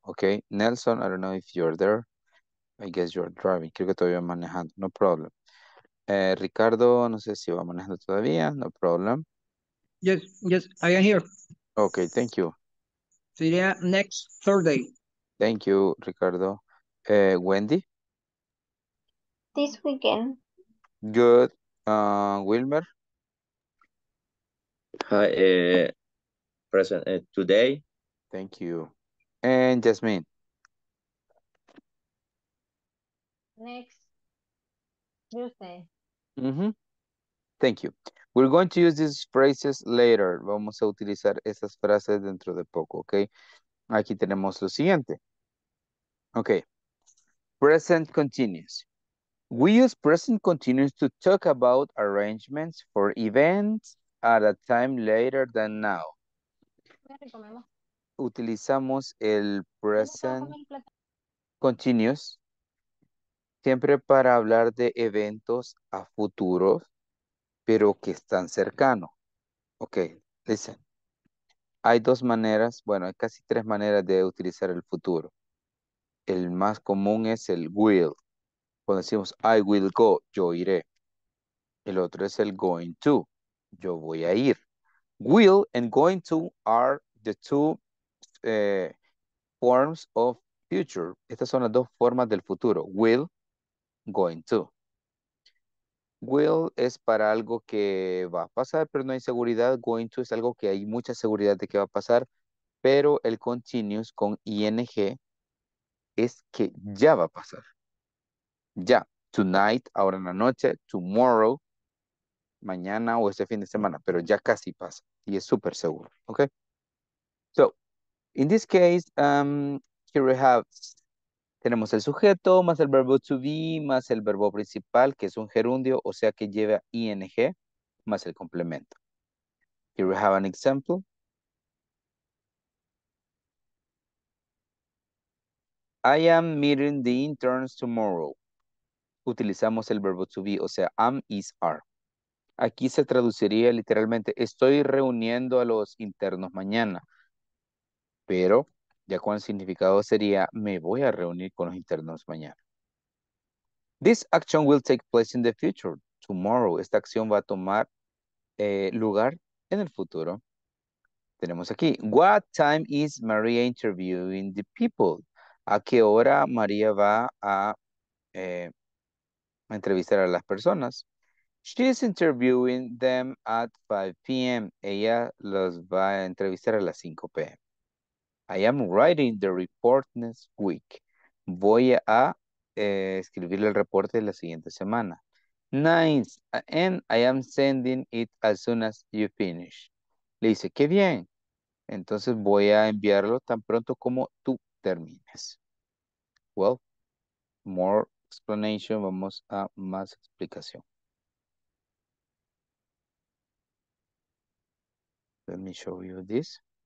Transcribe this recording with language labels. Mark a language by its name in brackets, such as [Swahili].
[English] Okay, Nelson, I don't know if you're there. I guess you're driving. [Spanish] Creo que todavía manejando, [English] no problem. [Spanish] Ricardo, no sé si va manejando todavía, [English] no problem. Yes, yes, I am here. Okay, thank you. [Spanish] Sería [English] next Thursday. Thank you, Ricardo. Wendy? This weekend. Good. Wilmer? Hi, present today. Thank you. And Jasmine? Next Tuesday. Mm-hmm. Thank you. We're going to use these phrases later. [Spanish] Vamos a utilizar esas frases dentro de poco, okay? Aquí tenemos lo siguiente. Okay. [English] Present continuous. We use present continuous to talk about arrangements for events at a time later than now. [Spanish] Utilizamos el present continuous siempre para hablar de eventos a futuro, pero que están cercanos. Ok, listen. Hay dos maneras, bueno, hay casi tres maneras de utilizar el futuro. El más común es el will. Cuando decimos [English] I will go, [Spanish] yo iré. El otro es el going to, yo voy a ir. [English] Will and going to are the two forms of future. [Spanish] Estas son las dos formas del futuro. Will, going to. Will es para algo que va a pasar, pero no hay seguridad. Going to es algo que hay mucha seguridad de que va a pasar. Pero el continuous con ing es que ya va a pasar. Ya. Tonight, ahora en la noche. Tomorrow, mañana o ese fin de semana. Pero ya casi pasa. Y es súper seguro. ¿Ok? [English] So, in this case, here we have, [Spanish] tenemos el sujeto más el verbo to be más el verbo principal, que es un gerundio, o sea que lleva ing, más el complemento. [English] Here we have an example. I am meeting the interns tomorrow. [Spanish] Utilizamos el verbo to be, o sea, [English] am, is, are. [Spanish] Aquí se traduciría literalmente, estoy reuniendo a los internos mañana. Pero ya con el significado sería, me voy a reunir con los internos mañana. [English] This action will take place in the future, tomorrow. [Spanish] Esta acción va a tomar lugar en el futuro. Tenemos aquí, [English] what time is Maria interviewing the people? [Spanish] ¿A qué hora María va a entrevistar a las personas? [English] She is interviewing them at 5 p.m. [Spanish] Ella los va a entrevistar a las 5 p.m. [English] I am writing the report next week. [Spanish] Voy a escribir el reporte la siguiente semana. [English] Nice. And I am sending it as soon as you finish. [Spanish] Le dice, qué bien. Entonces voy a enviarlo tan pronto como tú termines. [English] Well, more explanation. [Spanish] Vamos a más explicación. [English] Let me show you this.